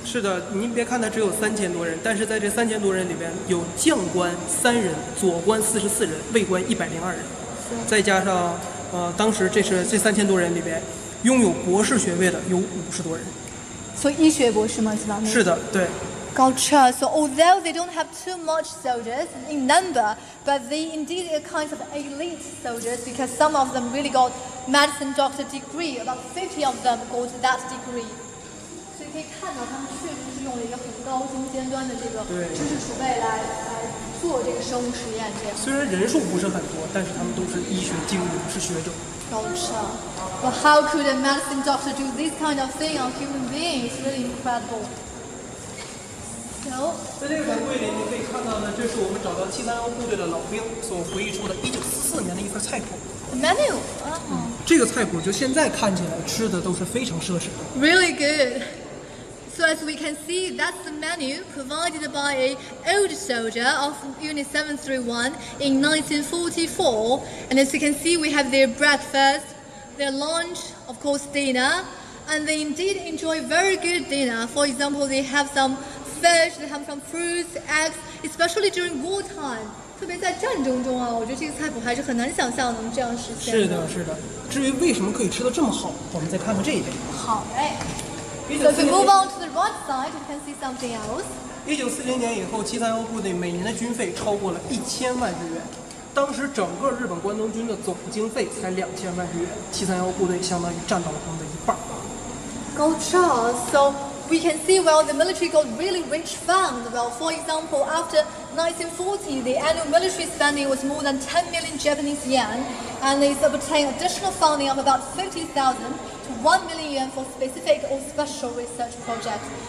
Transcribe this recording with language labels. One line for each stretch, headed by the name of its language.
Chinese: 是的，您别看它只有3000多人，但是在这3000多人里边，有将官3人，左官44人，卫官102人，再加上当时这是这3000多人里边，拥有博士学位的有50多人。所以医学博士吗？是吧？是的，对。
English: Gotcha. So although they don't have too much soldiers in number, but they indeed are kind of elite soldiers because some of them really got medicine doctor degree. About 50 of them got that degree.
Chinese: 所以可以看到他们确实是用了一个很高精尖端的这个知识储备来做这个生物实验这样。虽然人数不是很多，但是他们都是医学精英，是学者。
English: Gotcha. Well, how could a medicine doctor do this kind of thing on human beings? It's really incredible.
Chinese: 在这个展柜里，你可以看到呢，这是我们找到731部队的老兵所回忆出的1944年的一份菜谱。
English: Menu 啊，
Chinese: 这个菜谱就现在看起来吃的都是非常奢侈的。
English: Really good. So as we can see, that's the menu provided by an old soldier of Unit 731 in 1944. And as you can see, we have their breakfast, their lunch, of course dinner, and they indeed enjoy very good dinner. For example, they have some. Fish, they have some fruits, eggs, especially during wartime.
Chinese: 特别在战争中啊，我觉得这个菜谱还是很难想象能这样实现。是的，是的。至于为什么可以吃得这么好，我们再看看这一边。好哎。
English: So if we move on to the right side, you can see something else.
Chinese: 1940年以后，731部队每年的军费超过了1000万日元。当时整个日本关东军的总经费才2000万日元，731部队相当于占到了他们的一半。
English: Gotcha. So. We can see, well, the military got really rich fund. Well, for example, after 1940, the annual military spending was more than 10 million Japanese yen, and they obtained additional funding of about 50,000 to 1 million yen for specific or special research projects.